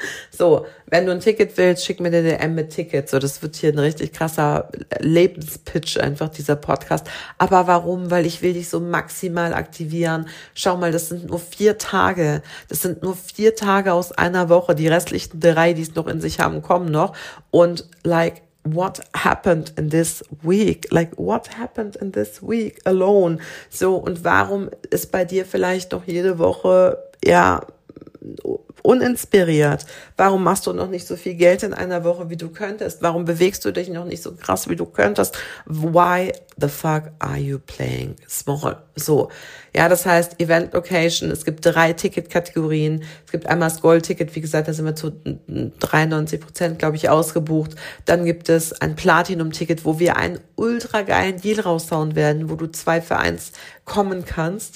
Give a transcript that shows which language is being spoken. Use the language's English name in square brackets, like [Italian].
[German] So, wenn du ein Ticket willst, schick mir eine DM mit Tickets. So, das wird hier ein richtig krasser Lebenspitch, einfach dieser Podcast. Aber warum? Weil ich will dich so maximal aktivieren. Schau mal, das sind nur 4 Tage. Das sind nur 4 Tage aus einer Woche. Die restlichen 3, die es noch in sich haben, kommen noch. [English] Und like, what happened in this week? Like, what happened in this week alone? [German] So, und warum ist bei dir vielleicht noch jede Woche, ja, uninspiriert? Warum machst du noch nicht so viel Geld in einer Woche, wie du könntest? Warum bewegst du dich noch nicht so krass, wie du könntest? [English] Why the fuck are you playing small? [German] So, ja, das heißt, Event Location, es gibt 3 Ticketkategorien. Es gibt einmal das Gold-Ticket, wie gesagt, da sind wir zu 93%, glaube ich, ausgebucht. Dann gibt es ein Platinum-Ticket, wo wir einen ultra geilen Deal raushauen werden, wo du 2 für 1 kommen kannst.